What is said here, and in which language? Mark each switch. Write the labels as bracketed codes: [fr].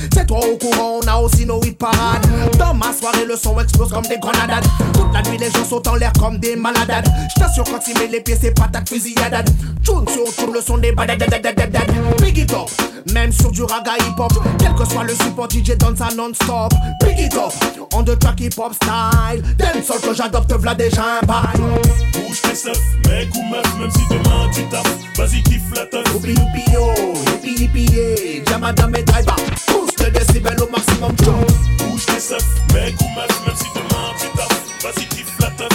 [fr] C'est toi au courant, on a aussi nos hit parades. Dans ma soirée, le son explose comme des grenades. Toute la nuit, les gens sautent en l'air comme des malades. J't'assure, quand il met les pieds, c'est pas ta fusillade. Tune sur tune, le son des badadadadadad. [en] Big it up, [fr] même sur du raga hip hop. Quel que soit le support, DJ donne ça non-stop. [en] Big it up, on the track hip hop style. [fr] Dancehall que j'adopte, v'là déjà. [en] Bye. [fr] Bouge tes seufs, mec ou meuf, même si demain tu taffes, vas-y kiffe la teuf. Oupi oupi yo, hippie hippie, jamadam et driver, pousse le décibel au maximum. Bouge tes seufs, mec ou meuf, même si demain tu taffes, vas-y kiffe la teuf.